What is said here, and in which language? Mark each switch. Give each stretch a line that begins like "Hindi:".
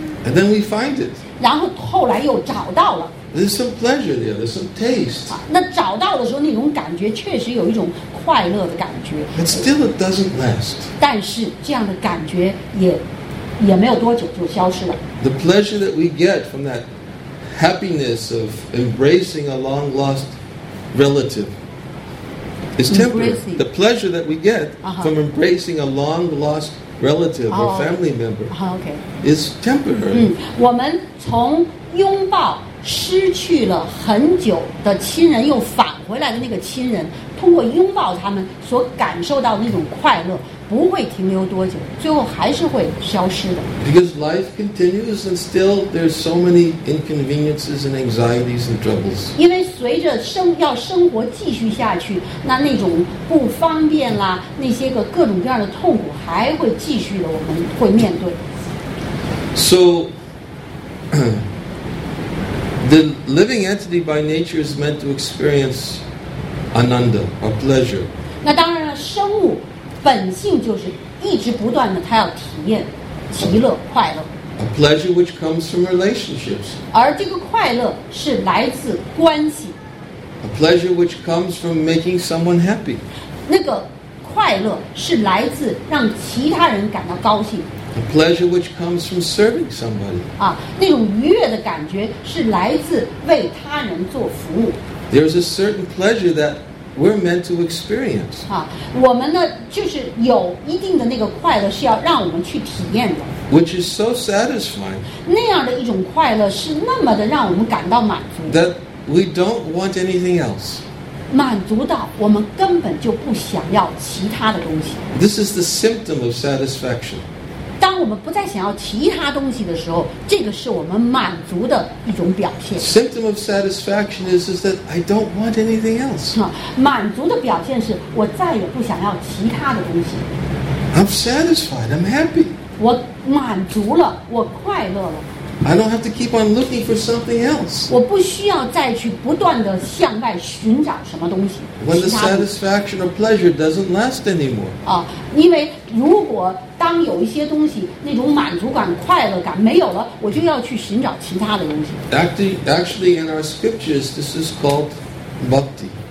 English: And then we find it.
Chinese: 然后后来又找到了。
English: There's some pleasure there. There's some taste.
Chinese: 那找到的时候，那种感觉确实有一种快乐的感觉。
English: But still, it doesn't last.
Chinese: 但是这样的感觉也没有多久就消失了。
English: The pleasure that we get from that happiness of embracing a long lost relative. It's temporary. Embracing. The pleasure that we get from embracing a long lost relative or family member is temporary.
Chinese: 我们从拥抱失去了很久的亲人又返回来的那个亲人，通过拥抱他们所感受到的那种快乐不会停留多久，最后还是会消失的。
English: Because life continues and still there's so many inconveniences and anxieties and troubles.
Chinese: 因为随着生活继续下去，那种不方便啦，那些个各种各样的痛苦还会继续的，我们会面对。
English: So, the living entity by nature is meant to experience ananda, a pleasure.
Chinese: 那当然了，生物本性就是一直不断的，它要体验极乐快乐。
English: A pleasure which comes from relationships.
Chinese: 而这个快乐是来自关系。
English: A pleasure which comes from making someone happy.
Chinese: 那个快乐是来自让其他人感到高兴。
English: A pleasure which comes from serving somebody.
Chinese: 那种愉悦的感觉是来自为他人做服务。
English: There's a certain pleasure that we're meant to experience.
Chinese: 我们呢，就是有一定的那个快乐是要让我们去体验的。
English: Which is so satisfying.
Chinese: 那样的一种快乐是那么的让我们感到满足。
English: That we don't want anything else.
Chinese: 满足到我们根本就不想要其他的东西。
English: This is the symptom of satisfaction.
Chinese: 当我们不再想要其他东西的时候，这个是我们满足的一种表现。
English: Symptom of satisfaction is that I don't want anything else.
Chinese: 满足的表现是我再也不想要其他的东西。
English: I'm satisfied. I'm happy.
Chinese: 我满足了，我快乐了。
English: I don't have to keep on looking for something else.
Chinese: 我不需要再去不断的向外寻找什么东西。
English: When the satisfaction or pleasure doesn't last anymore.
Chinese: 因为如果当有一些东西那种满足感、快乐感没有了，我就要去寻找其他的东西。
English: Actually, in our scriptures, this is called bhakti.